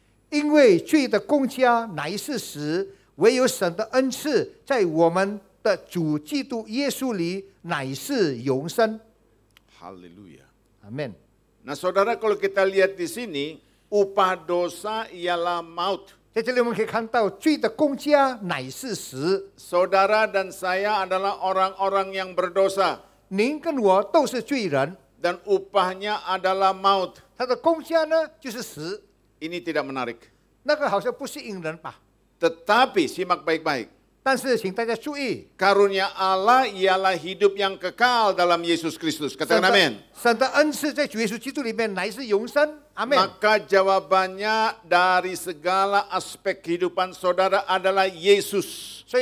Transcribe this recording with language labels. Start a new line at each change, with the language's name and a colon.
Chinese: 因为罪的工价乃是死，唯有神的恩赐在我们的主基督耶稣里乃是永生.
Indonesian: Haleluya. Amen. Nah, saudara, kalau kita lihat di sini, upah dosa ialah maut.
Chinese: 在这里我们可以看到罪的工价乃是死。
Indonesian: Saudara dan saya adalah orang-orang yang berdosa.
Chinese: 您跟我都是罪人。
Indonesian: Dan upahnya adalah maut.
Chinese: 它的工价呢就是死。
Indonesian: Ini tidak menarik.
Chinese: 那个好像不吸引人吧。
Indonesian: Tetapi simak baik-baik.
Chinese: 但是请大家注意。
Indonesian: Karunia Allah ialah hidup yang kekal dalam Yesus Kristus. Katakan amin.
Chinese: 神的恩赐在主耶稣基督里面乃是永生。
Indonesian: Amen. Maka jawabannya dari segala aspek kehidupan saudara adalah Yesus.